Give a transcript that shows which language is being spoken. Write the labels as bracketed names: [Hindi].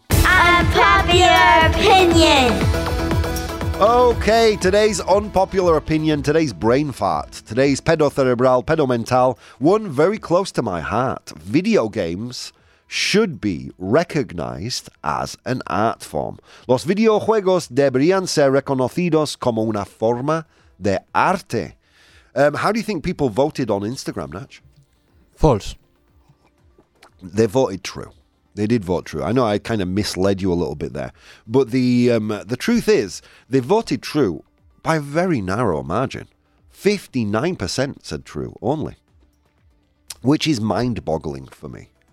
[English] Unpopular opinion. Okay, today's unpopular opinion, today's brain fart, today's [Spanish] pedo-cerebral, pedo-mental, [English] one very close to my heart. Video games should be recognized as an art form. [Spanish] Los videojuegos deberían ser reconocidos como una forma de arte. [English] How do you think people voted on Instagram, Natch? False. They voted true. They did vote true. I know I kind of misled you a little bit there. But the truth is, they voted true by a very narrow margin. 59% said true only. Which is mind-boggling for me.